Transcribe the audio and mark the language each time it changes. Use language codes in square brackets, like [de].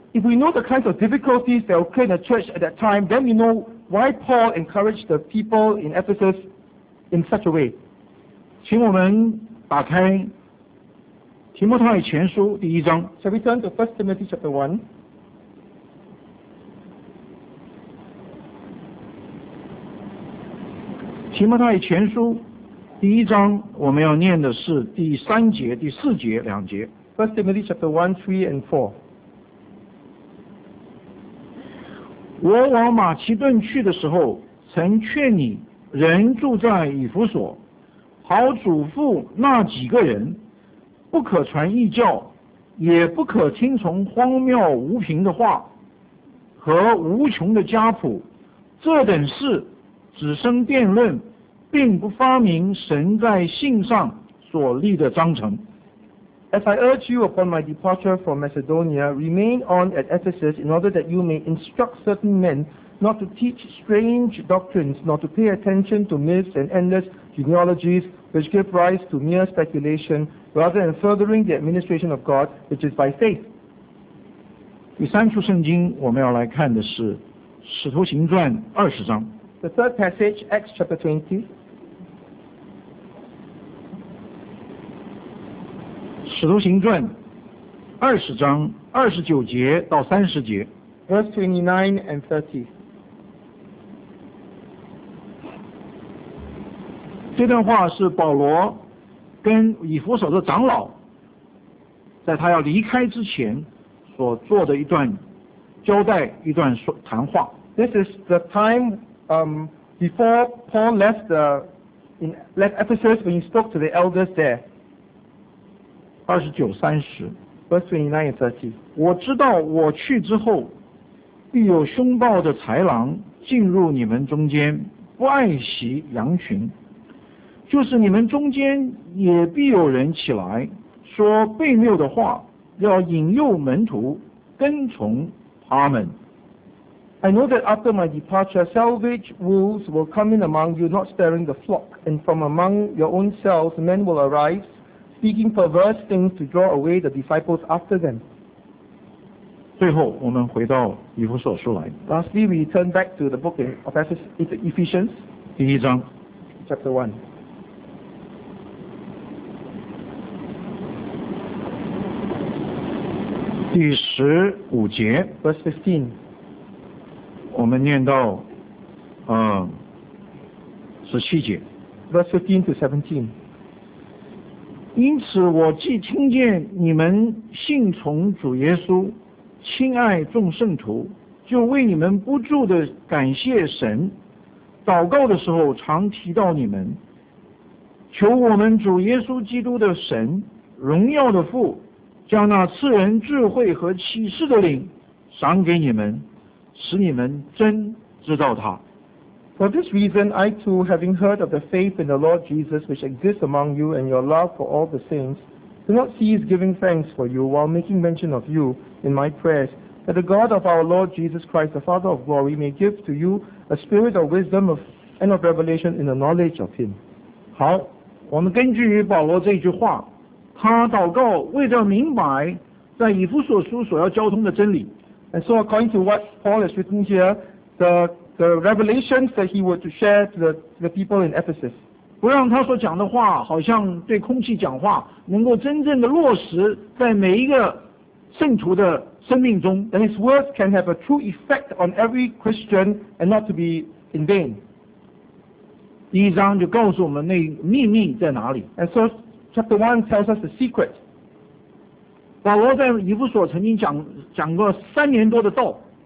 [en] If we know the kinds of difficulties that occurred in the church at that time, then we know why Paul encouraged the people in Ephesus in such a way. [zh] 请我们打开提摩太前书第一章。 [en] Shall we turn to 1 Timothy chapter 1? [zh] 提摩太前书第一章我们要念的是第三节、第四节两节。 [en] 1 Timothy chapter 1, 3 and 4. [zh] 我往马其顿去的时候曾劝你人住在以弗所，好嘱咐那几个人不可传异教，也不可听从荒谬无凭的话和无穷的家谱，这等事只生辩论，并不发明神在信上所立的章程。 [en] As I urge you upon my departure from Macedonia, remain on at Ephesus in order that you may instruct certain men not to teach strange doctrines, nor to pay attention to myths and endless genealogies which give rise to mere speculation,rather than furthering the administration of God, which is by faith. [zh] 第三处圣经我们要来看的是《使徒行传》二十章。 [en] The third passage, Acts chapter 20. [zh] 使徒行传二十章二十九节到三十节。 [en] Verse 29 and 30. [zh] 这段话是保罗跟以弗所的长老在他要离开之前所做的一段交代一段谈话。 [en] This is the time before Paul left the left Ephesus when he spoke to the elders there. [zh] 29:30 [en] Verse 29:30. [zh] 我知道我去之后必有凶暴的豺狼进入你们中间，不爱惜羊群，就是你们中间也必有人起来说悖谬的话，要引诱门徒跟从他们。 [en] I know that after my departure salvage wolves will come in among you not sparing the flock, and from among your own selves men will arise speaking perverse things to draw away the disciples after them. [zh] 最后我们回到以弗所书来。 [en] Lastly we turn back to the book of Ephesians [zh] 第一章 [en] Chapter 1. [zh] 第十五节 [en] Verse 15, [zh] 我们念到十七节 [en] Verse 15 to 17. [zh] 因此我既听见你们信从主耶稣，亲爱众圣徒，就为你们不住地感谢神，祷告的时候常提到你们，求我们主耶稣基督的神，荣耀的父，将那赐人智慧和启示的灵赏给你们，使你们真知道他。 [en] For this reason, I too, having heard of the faith in the Lord Jesus which exists among you and your love for all the saints, do not cease giving thanks for you while making mention of you in my prayers, that the God of our Lord Jesus Christ, the Father of glory, may give to you a spirit of wisdom and of revelation in the knowledge of him. [zh] 好，我们根据于保罗这句话，他祷告为了明白在以弗所书所要交通的真理。 [en] And so according to what Paul has written here, the revelations that he were to share to the people in Ephesus. [zh] 不让他所讲的话好像对空气讲话，能够真正的落实在每一个圣徒的生命中。 [en] That his words can have a true effect on every Christian and not to be in vain. [zh] 第一章就告诉我们那秘密在哪里。 [en] And so chapter 1 tells us the secret. [zh] 保罗在以弗所曾经 讲过三年多的道。